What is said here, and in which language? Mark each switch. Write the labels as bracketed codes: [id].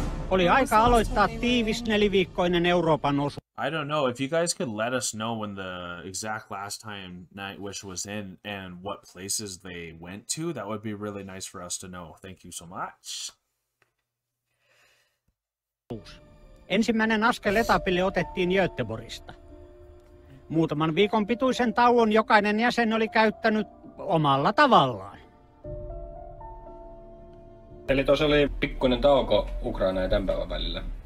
[fi] Oli aika aloittaa tiivis neliviikkoinen Euroopan osu. [en] I don't know if you guys could let us know when the exact last time Nightwish was in and what places they went to. That would be really nice for us to know. Thank you so much. [fi] Ensimmäinen askel etapille otettiin Göteborgista. Muutaman viikon pituisen tauon jokainen jäsen oli käyttänyt omalla tavallaan. Eli tuossa oli pikkuinen tauko Ukraina ja tämän päivän välillä.